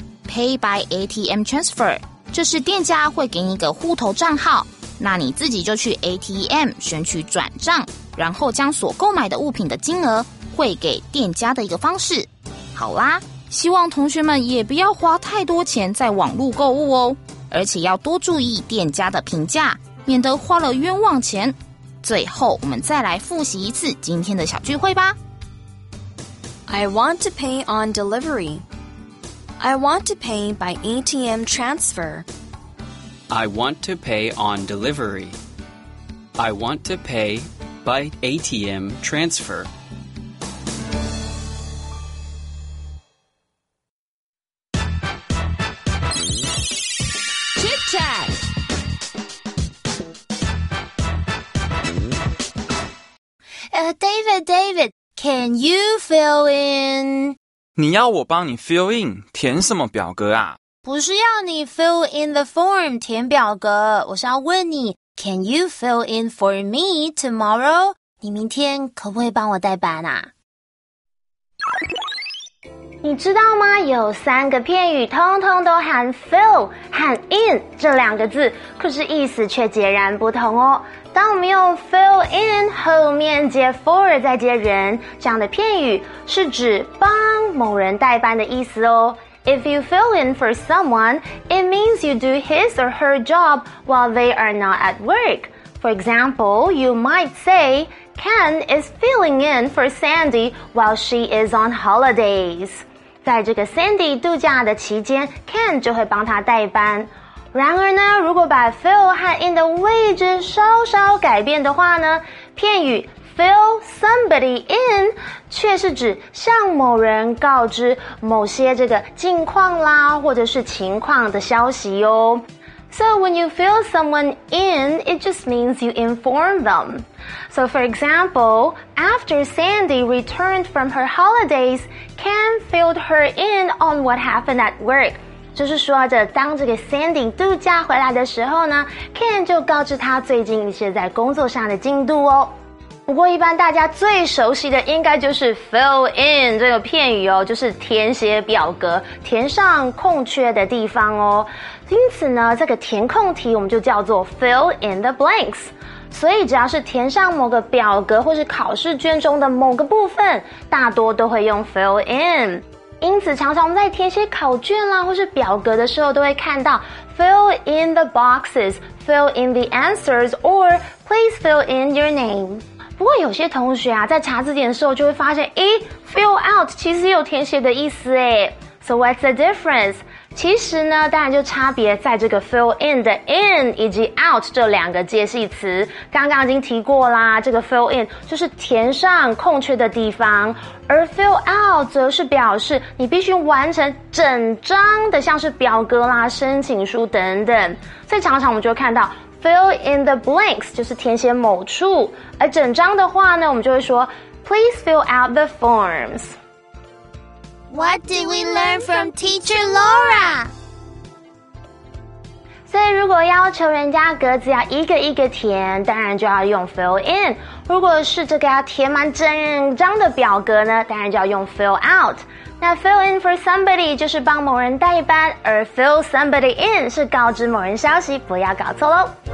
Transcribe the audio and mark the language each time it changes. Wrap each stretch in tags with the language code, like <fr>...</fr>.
<en>Pay by ATM Transfer</en> <zh>就是店家会给你一个户头账号，那你自己就去 ATM 选取转账，然后将所购买的物品的金额汇给店家的一个方式。好啦，希望同学们也不要花太多钱在网络购物哦，而且要多注意店家的评价，免得花了冤枉钱。最后我们再来复习一次今天的小聚会吧。</zh> <en>I want to pay on delivery. I want to pay by ATM transfer. I want to pay on delivery. I want to pay by ATM transfer. Chit chat. David, can you fill in?</en> <zh>你要我帮你 fill in, 填什么表格啊？不是要你</zh> <en>fill in the form</en> <zh>填表格，我是要问你</zh> <en>Can you fill in for me tomorrow?</en> <zh>你明天可不可以帮我代班啊？你知道吗？有三个片语通通都含 fill 和 in 这两个字，可是意思却截然不同哦。当我们用 fill in 后面接 for 再接人，这样的片语是指帮某人代班的意思哦。</zh> <en>If you fill in for someone, it means you do his or her job while they are not at work. For example, you might say, Ken is filling in for Sandy while she is on holidays.</en> <zh>在这个 Sandy 度假的期间， Ken 就会帮她代班。然而呢，如果把 fill 和 in 的位置稍稍改变的话呢，片语Fill somebody in 却是指向某人告知某些这个近况啦或者是情况的消息哦。</zh> <en>So when you fill someone in, it just means you inform them. So for example, after Sandy returned from her holidays, Ken filled her in on what happened at work.</en> <zh>就是说着当这个 Sandy 度假回来的时候呢， Ken 就告知他最近一些在工作上的进度哦。不过一般大家最熟悉的应该就是 fill in 这个片语哦，就是填写表格，填上空缺的地方哦。因此呢，这个填空题我们就叫做</zh> <en>fill in the blanks。</en> <zh>所以只要是填上某个表格或是考试卷中的某个部分，大多都会用 fill in。因此常常我们在填写考卷啦或是表格的时候，都会看到</zh> <en>fill in the boxes, fill in the answers, or please fill in your name.</en> <zh>不过有些同学啊，在查字典的时候就会发现，诶 ，fill out 其实有填写的意思诶。</zh> <en>So what's the difference?</en> <zh>其实呢，当然就差别在这个 fill in 的 in 以及 out 这两个介系词。刚刚已经提过啦，这个 fill in 就是填上空缺的地方，而 fill out 则是表示你必须完成整张的，像是表格啦、申请书等等。所以常常我们就会看到。</zh> <en>Fill in the blanks</en> <zh>就是填写某处，而整张的话呢，我们就会说</zh> <en>Please fill out the forms. What did we learn from Teacher Laura?</en> <zh>所以如果要求人家格子要一个一个填，当然就要用 fill in. 如果是这个要填满整张的表格呢，当然就要用 fill out. 那 fill in for somebody 就是帮某人代班，而 fill somebody in 是告知某人消息，不要搞错喽。</zh>